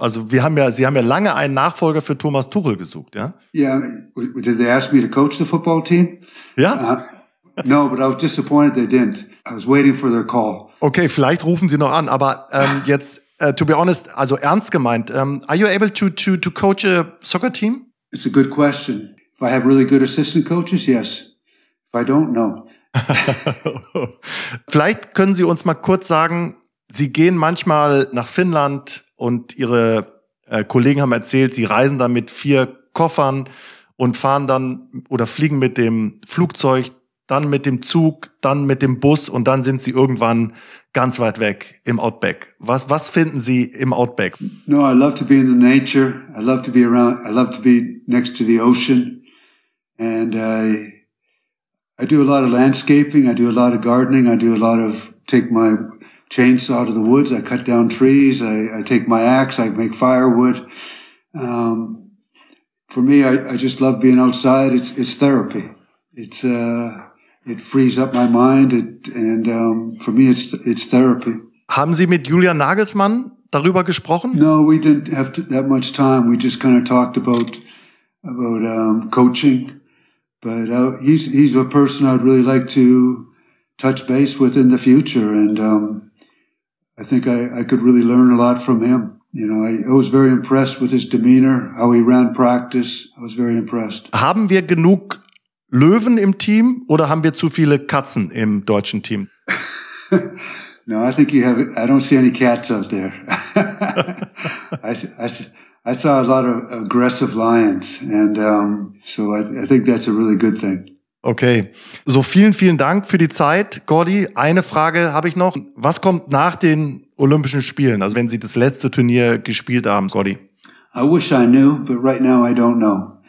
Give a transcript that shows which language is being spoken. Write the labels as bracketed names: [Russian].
[German] Also Sie haben ja lange einen Nachfolger für Thomas Tuchel gesucht, ja? [English] Yeah, did they ask me to coach the football team? [German] Ja. [English] No, but I was disappointed they didn't. I was waiting for their call. [German] Okay, vielleicht rufen Sie noch an, aber jetzt... [English] to be honest, [German] also ernst gemeint, [English] are you able to coach a soccer team? It's a good question. If I have really good assistant coaches, yes. If I don't, no. [German] Vielleicht können Sie uns mal kurz sagen, Sie gehen manchmal nach Finnland und Ihre Kollegen haben erzählt, Sie reisen dann mit 4 Koffern und fahren dann oder fliegen mit dem Flugzeug, dann mit dem Zug, dann mit dem Bus und dann sind Sie irgendwann ganz weit weg im Outback. Was finden Sie im Outback? [English] No, I love to be in the nature. I love to be around. I love to be next to the ocean. And I do a lot of landscaping. I do a lot of gardening. I do a lot of take my chainsaw to the woods. I cut down trees. I take my axe. I make firewood. For me, I just love being outside. It's therapy. It frees up my mind and for me it's therapy. [German] Haben Sie mit Julian Nagelsmann darüber gesprochen? [English] No, we didn't have that much time. We just kind of talked about coaching. But he's a person I'd really like to touch base with in the future and I think I could really learn a lot from him. You know, I was very impressed with his demeanor, how he ran practice. I was very impressed. [German] Haben wir genug Löwen im Team oder haben wir zu viele Katzen im deutschen Team? [English] No, I think I don't see any cats out there. I saw a lot of aggressive lions and so I think that's a really good thing. Okay. [German] So vielen, vielen Dank für die Zeit, Gordy. Eine Frage habe ich noch. Was kommt nach den Olympischen Spielen? Also wenn Sie das letzte Turnier gespielt haben, Gordy? [English] I wish I knew, but right now I don't know.